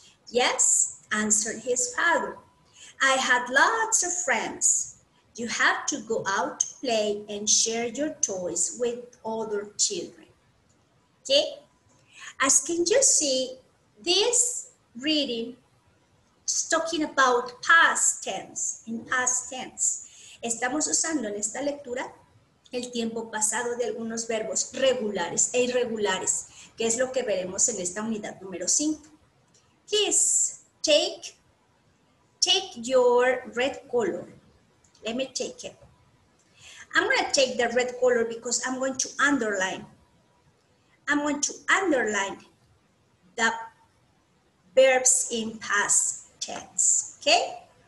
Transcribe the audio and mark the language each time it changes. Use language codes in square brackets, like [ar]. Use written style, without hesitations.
[en] Yes, answered his father. I had lots of friends. You have to go out to play and share your toys with other children. Okay? As can you see, this reading is talking about past tense. In past tense, [es] estamos usando en esta lectura el tiempo pasado de algunos verbos regulares e irregulares, que es lo que veremos en esta unidad número 5. [en] Please take your red color. Let me take it. I'm going to take the red color because I'm going to underline. I'm going to underline the verbs in past tense, okay?